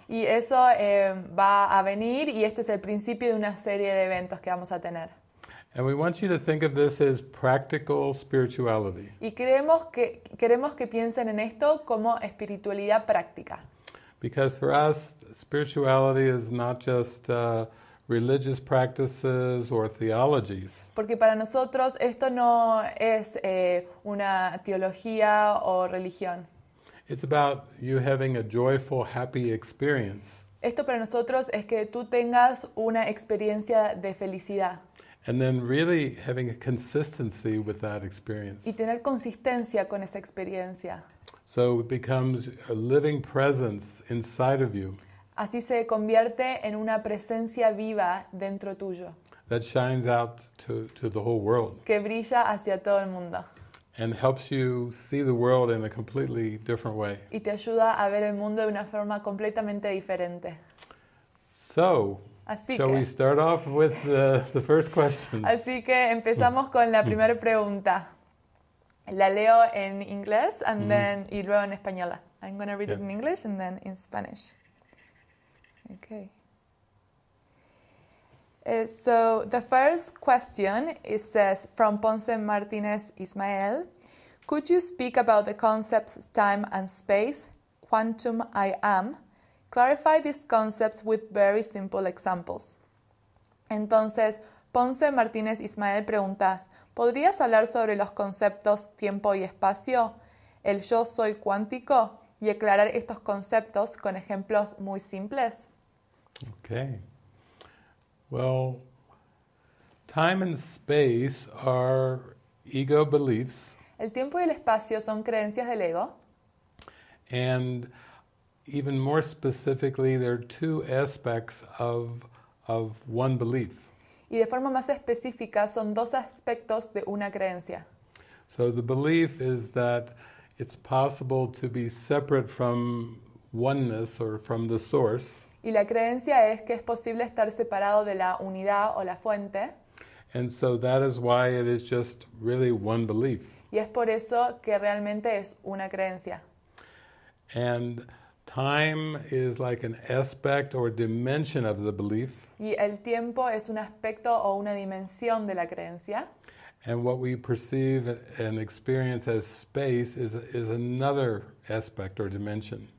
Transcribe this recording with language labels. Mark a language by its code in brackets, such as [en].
[es] Y eso va a venir, y este es el principio de una serie de eventos que vamos a tener. [en] And we want you to think of this as practical spirituality. [es] Y queremos que piensen en esto como espiritualidad práctica. [en] Because for us, spirituality is not just religious practices or theologies. [es] Porque para nosotros esto no es una teología o religión. [en] It's about you having a joyful, happy experience. [es] Esto para nosotros es que tú tengas una experiencia de felicidad. [en] And then really having a consistency with that experience. [es] Y tener consistencia con esa experiencia. [en] So it becomes a living presence inside of you. [es] Así se convierte en una presencia viva dentro tuyo. [en] That shines out to the whole world. [es] Que brilla hacia todo el mundo. [en] And helps you see the world in a completely different way. [es] Y te ayuda a ver el mundo de una forma completamente diferente. [en] So, [es] así [en] shall [es] que, [en] we start off with the first question? [es] Así que empezamos con la primera pregunta. La leo en inglés [en] and then [es] y luego en española. [en] I'm going to read it in English and then in Spanish. Okay. So the first question, it says, from Ponce Martinez Ismael, could you speak about the concepts time and space, quantum I am? Clarify these concepts with very simple examples. [es] Entonces, Ponce Martinez Ismael pregunta, ¿podrías hablar sobre los conceptos tiempo y espacio, el yo soy cuántico, y aclarar estos conceptos con ejemplos muy simples? [en] Okay. Well, time and space are ego beliefs. [es] El tiempo y el espacio son creencias del ego. [en] And even more specifically, there are two aspects of one belief. [es] Y de forma más específica, son dos aspectos de una creencia. [en] So the belief is that it's possible to be separate from oneness or from the source. [es] Y la creencia es que es posible estar separado de la unidad o la fuente. [en] And so that is why it is just really one belief. [es] Y es por eso que realmente es una creencia. [en] And time is like an aspect or dimension of the belief. [es] Y el tiempo es un aspecto o una dimensión de la creencia. [en] And what we perceive and experience as space is another aspect or dimension.